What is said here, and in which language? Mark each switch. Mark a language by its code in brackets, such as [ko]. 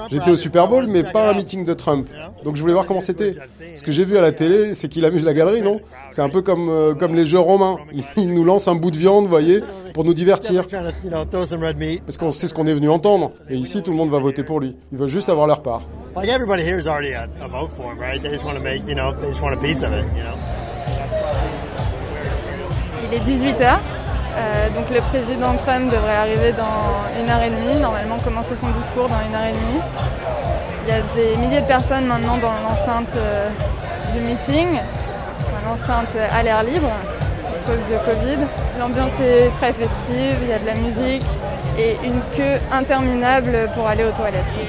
[fr] J'étais au Super Bowl, mais pas à un meeting de Trump. Donc je voulais voir comment c'était. Ce que j'ai vu à la télé, c'est qu'il amuse la galerie, non? C'est un peu comme, comme les jeux romains. Il nous lance un bout de viande, vous voyez, pour nous divertir. Parce qu'on sait ce qu'on est venu entendre. Et ici, tout le monde va voter pour lui. Ils veulent juste avoir leur part. [en] Like everybody here is already a vote for him, right? They just want to make, you know, they just want a piece of it, you know. [fr] Il est 18h. Donc le président Trump devrait arriver dans une heure et demie, normalement commencer son discours dans une heure et demie. Il y a des milliers de personnes maintenant dans l'enceinte du meeting, dans l'enceinte à l'air libre, à cause de Covid. L'ambiance est très festive, il y a de la musique et une queue interminable pour aller aux toilettes.